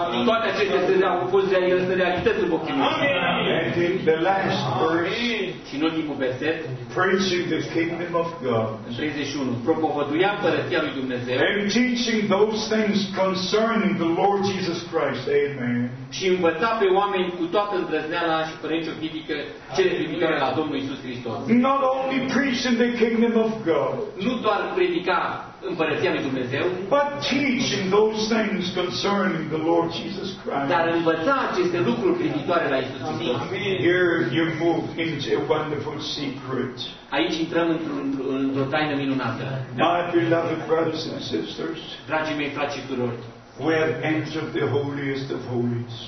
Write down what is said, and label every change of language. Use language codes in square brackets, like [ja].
[ro] Toate aceste se au pus de este realitate în ochii noștri. [en] The last verse. [ro] Și în ultimul verset. [en] Preaching the kingdom of God. 31. [ro] Propovăduia împărăția lui Dumnezeu. [en] And teaching those things concerning the Lord Jesus Christ. Amen. [ro] Și învăța pe oameni cu toată îndrăzneala și părinții critică cele privitoare la Domnul Iisus Hristos. [en] Not only preaching the kingdom of God. [ro] Nu doar predica împărăția lui Dumnezeu. [en] But teaching those things concerning the Lord Jesus Christ. [ro] Dar învăța aceste lucruri privitoare la Iisus Hristos. [en] Here you move into a wonderful secret. [ro] Aici intrăm într-o taină minunată. [en] My beloved brothers and sisters. [ro] Dragii mei frați și surori. [en] We have entered the holiest of holies.